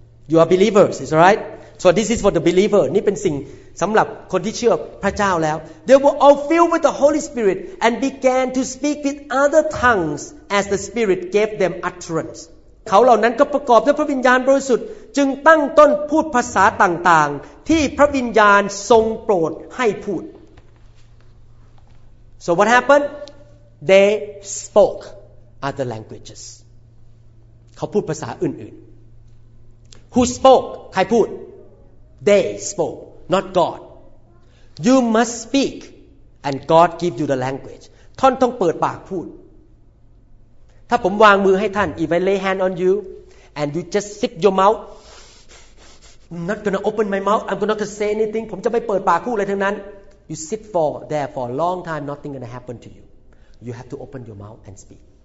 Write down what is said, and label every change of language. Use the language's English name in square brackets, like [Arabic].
[English] you are believers is right so this is for the believer [Thai] นี่เป็นสิ่งสำหรับคนที่เชื่อพระเจ้าแล้ว [English] they were all filled with the Holy Spirit and began to speak with other tongues as the Spirit gave them utterance [Thai] เขาเหล่านั้นก็ประกอบด้วยพระวิญญาณบริสุทธิ์จึงตั้งต้นพูดภาษาต่างๆที่พระวิญญาณทรงโปรดให้พูด [English] So what happened? They spoke other languages. [Thai] เขาพูดภาษาอื่นๆ [English] Who spoke? [Thai] ใครพูด? [English] They spoke, not God. You must speak and God give you the language. [Thai] ท่านต้องเปิดปากพูดถ้าผมวางมือให้ท่าน [English] if I lay hand on you and you just stick your mouth I'm not gonna open my mouth I'm gonna not gonna say anything [Thai] ผมจะไม่เปิดปากพูดอะไรทั้งนั้น [English] you sit for there for a long time nothing gonna happen to you you have to open your mouth and speak